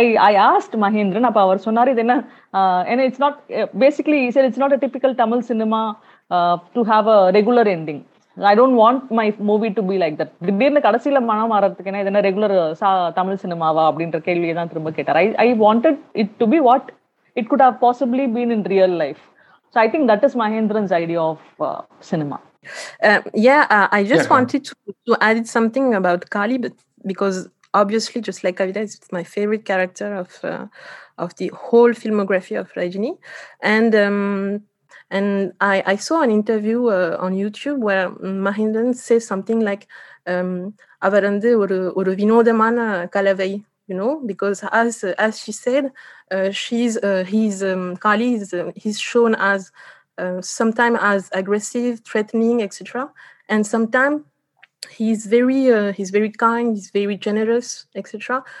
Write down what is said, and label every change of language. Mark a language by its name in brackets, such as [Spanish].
[English] I asked Mahendran, [Tamil] அப்ப அவர் சொன்னாரு இது என்ன, [English] It's not basically it's not a typical Tamil cinema to have a regular ending, I don't want my movie to be like that. [Tamil] திடீர்னு கடைசியில மனம் மாறதுக்கு என்ன ரெகுலர் தமிழ் சினிமாவா அப்படின்ற கேள்வியை தான் திரும்ப கேட்டார். [English] I wanted it to be what it could have possibly been in real life. So I think that is Mahendran's idea of cinema. I wanted to add something about Kali, but because obviously, just like Kavita, it's my favorite character of the whole filmography of Rajini. And and I saw an interview on YouTube where Mahendran says something like, [Tamil] avarande oru vinodamana kalavai, [English] you know, because as she said, Kali is he's shown as sometimes as aggressive, threatening, etc., and sometimes he's very kind, he's very generous, etc.